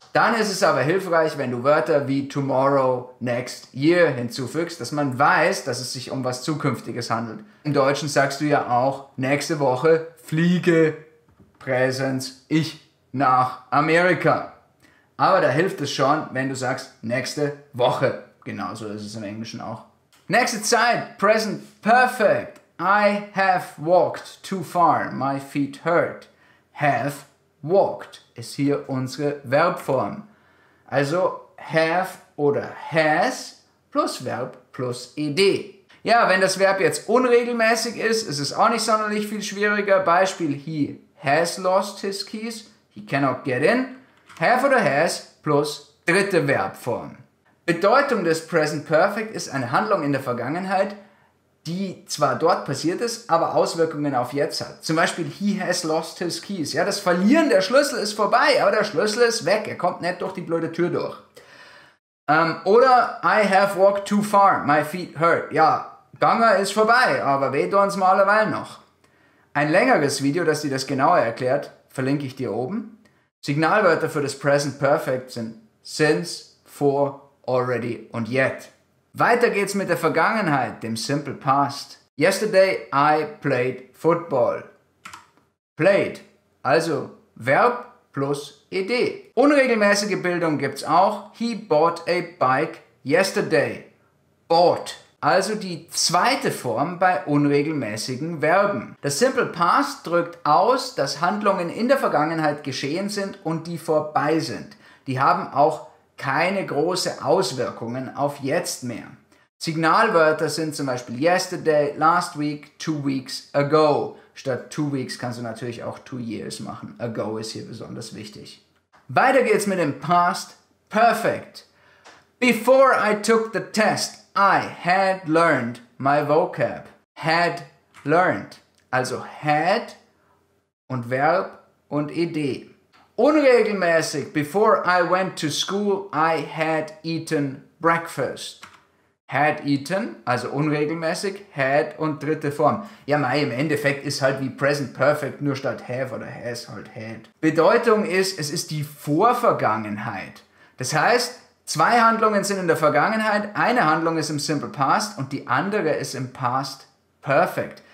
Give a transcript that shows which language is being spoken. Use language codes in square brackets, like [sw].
[de] Dann ist es aber hilfreich, wenn du Wörter wie tomorrow, next, year hinzufügst, dass man weiß, dass es sich um was Zukünftiges handelt. Im Deutschen sagst du ja auch, nächste Woche fliege, Präsens, ich nach Amerika. Aber da hilft es schon, wenn du sagst, nächste Woche. Genauso ist es im Englischen auch. Nächste Zeit, present perfect. [en] I have walked too far, my feet hurt. Have walked [de] ist hier unsere Verbform. Also have oder has plus Verb plus ed. Ja, wenn das Verb jetzt unregelmäßig ist, ist es auch nicht sonderlich viel schwieriger. [en] Beispiel, he has lost his keys, he cannot get in. [de] Have oder has plus dritte Verbform. Bedeutung des Present Perfect ist eine Handlung in der Vergangenheit, die zwar dort passiert ist, aber Auswirkungen auf jetzt hat. Zum Beispiel, [en] he has lost his keys. [de] Ja, das Verlieren der Schlüssel ist vorbei, aber der Schlüssel ist weg. Er kommt nicht durch die blöde Tür durch. [en] Oder, I have walked too far, my feet hurt. [de] Ja, Ganga ist vorbei, aber weh tun's mal eine Weile noch. Ein längeres Video, das dir das genauer erklärt, verlinke ich dir oben. Signalwörter für das Present Perfect sind since, for, already und yet. Weiter geht's mit der Vergangenheit, dem Simple Past. [en] Yesterday I played football. Played, [de] also Verb plus ED. Unregelmäßige Bildung gibt's auch. [en] He bought a bike yesterday. [de] Bought, also die zweite Form bei unregelmäßigen Verben. Das Simple Past drückt aus, dass Handlungen in der Vergangenheit geschehen sind und die vorbei sind. Die haben auch keine große Auswirkungen auf jetzt mehr. Signalwörter sind zum Beispiel yesterday, last week, 2 weeks ago. Statt 2 weeks kannst du natürlich auch 2 years machen. Ago ist hier besonders wichtig. Weiter geht's mit dem Past Perfect. [en] Before I took the test, I had learned my vocab. Had learned. [de] Also had und Verb und ED. [en] Unregelmäßig, before I went to school, I had eaten breakfast. Had eaten, [de] also unregelmäßig, had und dritte Form. Ja, mei, im Endeffekt ist halt wie present perfect, nur statt have oder has halt had. Bedeutung ist, es ist die Vorvergangenheit. Das heißt, zwei Handlungen sind in der Vergangenheit, eine Handlung ist im Simple Past und die andere ist im Past Perfect.